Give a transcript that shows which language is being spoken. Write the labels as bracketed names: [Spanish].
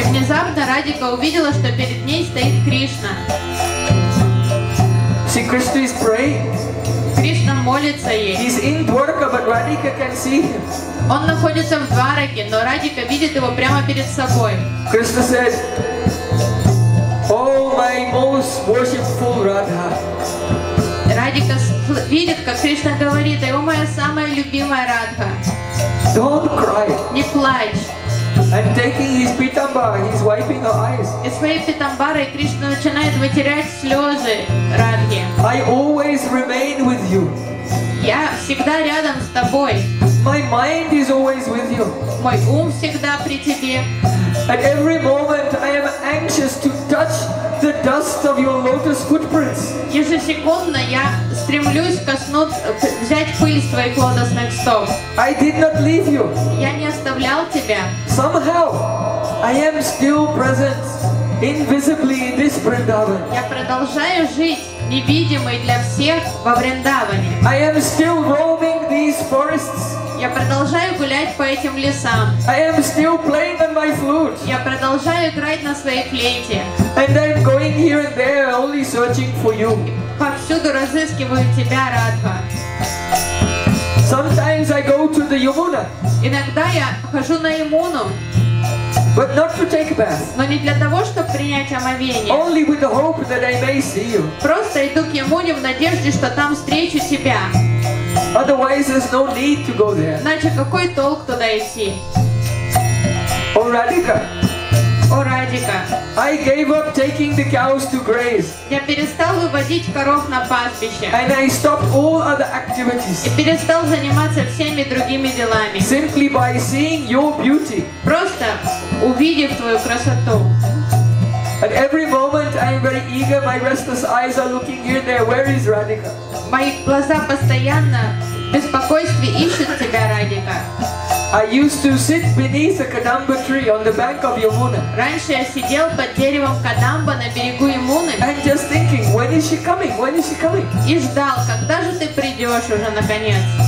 [Russian] И внезапно Радика увидела, что перед ней стоит Кришна. [English] See, Krishna is praying. [Russian] Кришна молится ей. [English] He's in Dwarka, but Radhika can see him. [Russian] Он находится в Двараке, но Радика видит его прямо перед собой. [English] Krishna said, Oh, my most worshipful Radha. [Russian] Радика видит, как Кришна говорит, о моя самая любимая Радха. [English] Don't cry. [Russian] Не плачь. [English] And taking his pitambara, he's wiping her eyes. [Russian] И своей питамбарой Кришна начинает вытирать слезы Радхи. [English] I always remain with you. [Russian] Я всегда рядом с тобой. [English] My mind is always with you. [Russian] Мой ум всегда при тебе. [English] At every moment I am anxious to touch the dust of your lotus footprints. [Russian] Ежесекундно я стремлюсь коснуться, взять пыль с твоих лотосных стоп. [English] I did not leave you. [Russian] Я не оставлял тебя. [English] Somehow I am still present invisibly in this Vrindavan. [Russian] Я продолжаю жить невидимый для всех во Вриндаване. [English] I am still roaming these forests. [Russian] Я продолжаю гулять по этим лесам. [English] I am still playing on my flute. [Russian] Я продолжаю играть на своей флейте. [English] And I'm going here and there, only searching for you. [Russian] Повсюду разыскиваю тебя, Радха. [English] Sometimes I go to the Yamuna. [Russian] Иногда я хожу на Ямуну. [English] But not to take a bath. [Russian] Но не для того, чтобы принять омовение. [English] Only with the hope that I may see you. [Russian] Просто иду к Ямуне в надежде, что там встречу тебя. [English] Otherwise, there's no need to go there. [Russian] Иначе какой толк туда идти? О, Радика! О, Радика! [English] I gave up taking the cows to graze. [Russian] Я перестал выводить коров на пастбище. [English] And I stopped all other activities. [Russian] И перестал заниматься всеми другими делами. [English] Simply by seeing your beauty. [Russian] Просто увидев твою красоту. [English] At every moment I am very eager, my restless eyes are looking here and there. Where is Radhika? [Russian] Мои глаза постоянно в беспокойстве ищут тебя, Радика. [English] I used to sit beneath a kadamba tree on the bank of Yamuna. [Russian] Раньше я сидел под деревом кадамба на берегу Ямуны. [English] And just thinking, when is she coming? When is she coming? [Russian] И ждал, когда же ты придешь уже наконец.